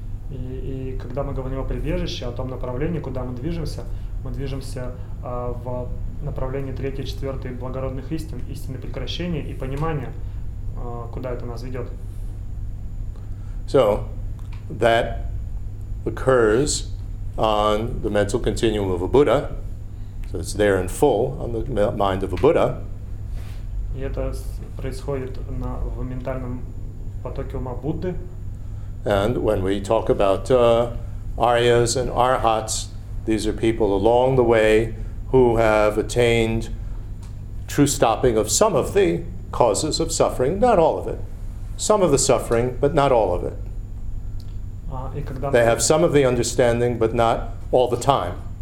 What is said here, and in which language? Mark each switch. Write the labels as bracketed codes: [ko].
[ru] И когда мы говорим о прибежище, о том направлении, куда мы движемся в направлении третьей, четвертой благородных истин, истины прекращения и понимания, куда это нас ведет. [en] So, that occurs on the mental continuum of a Buddha. So it's there in full on the mind of a Buddha. [ru] И это происходит в ментальном потоке ума Будды. [en] And when we talk about Aryas and Arhats, these are people along the way who have attained true stopping of some of the causes of suffering, not all of it. Some of the suffering, but not all of it. They have some of the understanding, but not all the time.